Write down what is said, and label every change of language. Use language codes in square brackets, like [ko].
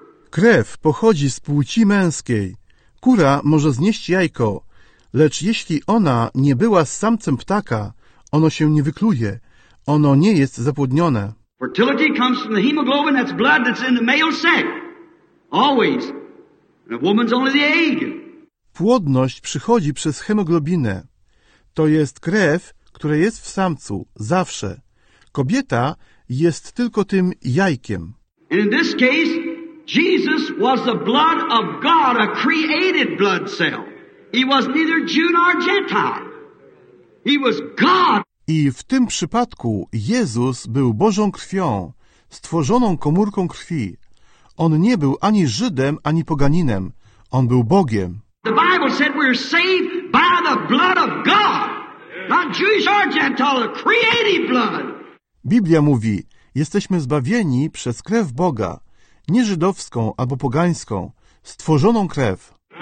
[pl] Krew pochodzi z płci męskiej. Kura może znieść jajko, lecz jeśli ona nie była z samcem ptaka, ono się nie wykluje. Ono nie jest zapłodnione. [en] Fertility comes from the hemoglobin, that's blood that's in the male sac. Always. And a woman's only the egg. [pl] Płodność przychodzi przez hemoglobinę. To jest krew, która jest w samcu, zawsze. Kobieta jest tylko tym jajkiem. [en] And in this case, Jesus was the blood of God, a created blood cell. He was neither Jew nor Gentile. He was God. [pl] I w tym przypadku Jezus był Bożą krwią, stworzoną komórką krwi. On nie był ani Żydem, ani poganinem. On był Bogiem. [en] The Bible said we're saved by the blood of God. Not Jewish or Gentile, a created blood. [pl] Biblia mówi, jesteśmy zbawieni przez krew Boga, nie żydowską albo pogańską, stworzoną krew.